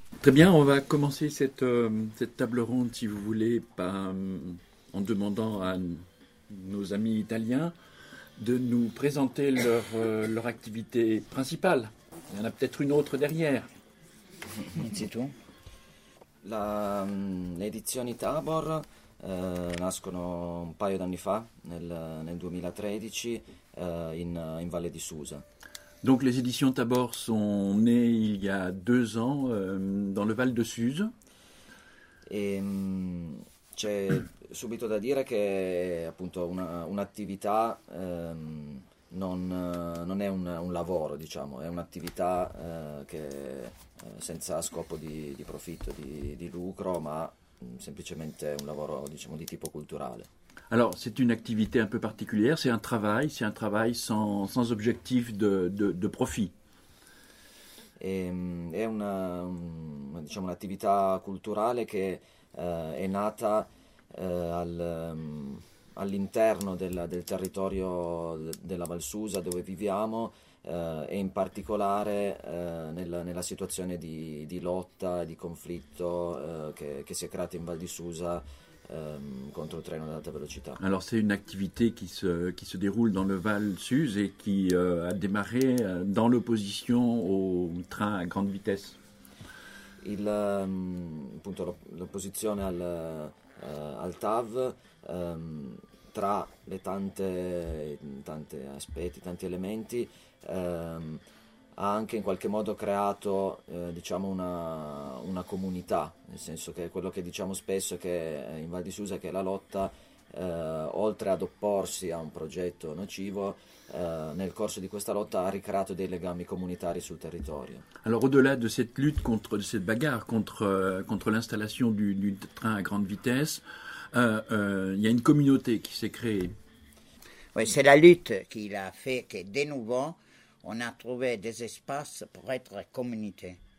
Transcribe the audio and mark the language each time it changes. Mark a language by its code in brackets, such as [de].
[fr] Très bien, on va commencer cette table ronde, si vous voulez, en demandant à nos amis italiens de nous présenter leur activité principale. Il y en a peut-être une autre derrière. C'est tout. [it] L'edizione Tabor nascono un paio d'anni fa, nel 2013, in Valle di Susa. [fr] Donc les éditions Tabor sont nées il y a deux ans dans le Val de Suse. [it] Et c'è subito da dire che appunto un'attività non è un lavoro, diciamo, è un'attività che senza scopo di profitto, di lucro, ma semplicemente un lavoro, diciamo, di tipo culturale. [fr] Alors, c'est une activité un peu particulière, c'est un travail sans objectif de profit. [it] È una, diciamo, un'attività culturale che è nata all'interno del territorio della Val Susa dove viviamo e in particolare nella situazione di lotta e di conflitto che si è creato in Val di Susa [fr] contre le train à haute vitesse. Alors c'est une activité qui se déroule dans le Val Suse et qui a démarré dans l'opposition au train à grande vitesse. [it] Il appunto l'opposizione al TAV tra le tanti aspetti, tanti elementi ha anche in qualche modo creato diciamo una comunità, nel senso che quello che diciamo spesso è che in Val di Susa che la lotta oltre ad opporsi a un progetto nocivo nel corso di questa lotta ha ricreato dei legami comunitari sul territorio. [fr] Alors au-delà de cette lutte contre de cette bagarre contre l'installation du train à grande vitesse, il y a une communauté qui s'est créée. Oui, c'est la lutte qui l'a fait que de nouveau on a trouvé des espaces pour être communauté.